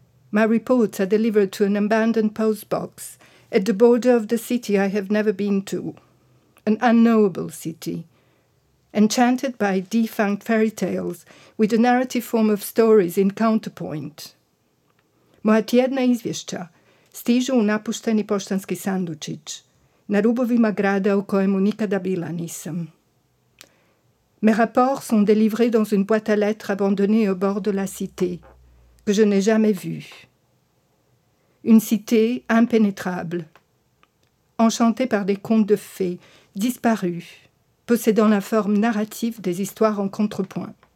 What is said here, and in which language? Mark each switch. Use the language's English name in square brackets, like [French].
[English] My reports are delivered to an abandoned post box at the border of the city I have never been to, an unknowable city, enchanted by defunct fairy tales with a narrative form of stories in counterpoint. [Croatian] Moja tjedna izvješća stižu u napušteni poštanski sandučić na rubovima grada u kojemu nikada bila nisam. [French] Mes rapports sont délivrés dans une boîte à lettres abandonnée au bord de la cité, que je n'ai jamais vue. Une cité impénétrable, enchantée par des contes de fées, disparus, possédant la forme narrative des histoires en contrepoint.